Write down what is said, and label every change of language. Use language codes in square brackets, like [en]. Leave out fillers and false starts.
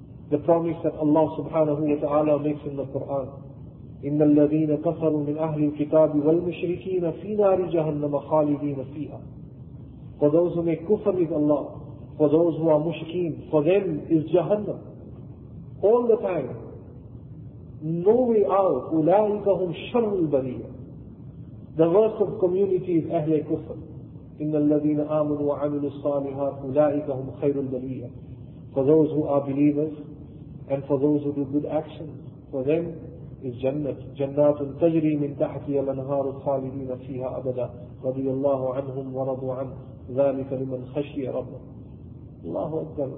[en] The promise that Allah subhanahu wa ta'ala makes in the Quran. [ar] إِنَّ الَّذِينَ كَفَرُوا مِنْ أَهْلِ الْكِتَابِ وَالْمُشْرِكِينَ فِي نَارِ جَهَنَّمَ خَالِدِينَ فِيهَا. [en] For those who make kufr with Allah, for those who are mushkeen, for them is Jahannam. All the time. No way out. [ar] أُولَٰئِكَ هُمْ شَرُّ الْبَرِيَّةِ. [en] The worst of community is [ar] أهل كفر. إِنَّ الَّذِينَ آمَنُوا وَعَمِلُوا الصَّالِحَاتِ أُولَٰئِكَ هُمْ خَيْرُ الْبَرِيَّةِ. [en] For those who are believers and for those who do good actions, for them is Jannah. [ar] جَنَّاتٌ تَجْرِي مِنْ تَحْتِهَا الْأَنْهَارُ خَالِدِينَ فِيهَا أَبَدًا رَضِيَ اللَّهُ عَنْهُمْ وَرَضُوا عَنْهُ ذَلِكَ لِمَنْ خَشِيَ رَبَّهُ. Allahu Akbar.